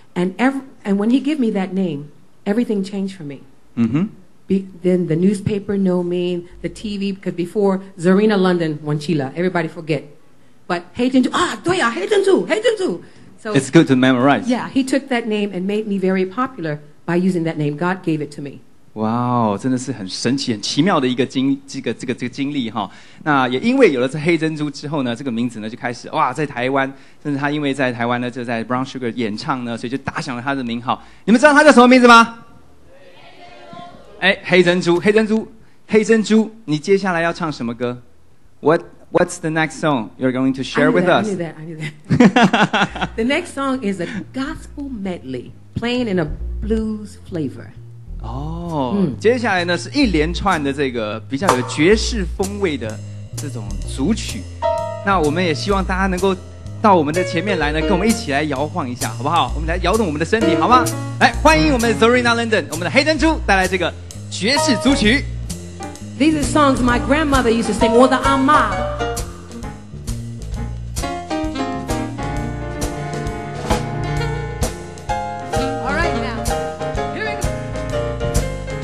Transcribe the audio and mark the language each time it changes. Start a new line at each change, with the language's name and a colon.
English: And when he gave me that name, everything changed for me. Mm-hmm. Then the newspaper know me, the TV, because before, Zorina London, Wanchila, everybody forget. But Hei Zhen Chu, Hei Zhen Chu. So, it's good to memorize. Yeah, he took that name and made me very popular by using that name. God gave it to me.
Chinese: Wow, 真的是很神奇，很奇妙的一个经，这个经历哈。那也因为有了这黑珍珠之后呢，这个名字呢就开始哇，在台湾，甚至他因为在台湾呢，就在 Brown Sugar 演唱呢，所以就打响了他的名号。你们知道他叫什么名字吗？哎，黑珍珠，你接下来要唱什么歌
English: ？What's the next song you're going to share with us? I knew that. The next song is a gospel medley, playing in a blues flavor.
Chinese: 哦、oh, mm. ，接下来呢是一连串的这个比较有爵士风味的这种组曲。那我们也希望大家能够到我们的前面来呢，跟我们一起来摇晃一下，好不好？我们来摇动我们的身体，好吗？来，欢迎我们的 Zorina London， 我们的黑珍珠带来这个。爵士组曲。
English: These are songs my grandmother used to sing,
Chinese: 我的阿嬷。
English: All right now, here we go.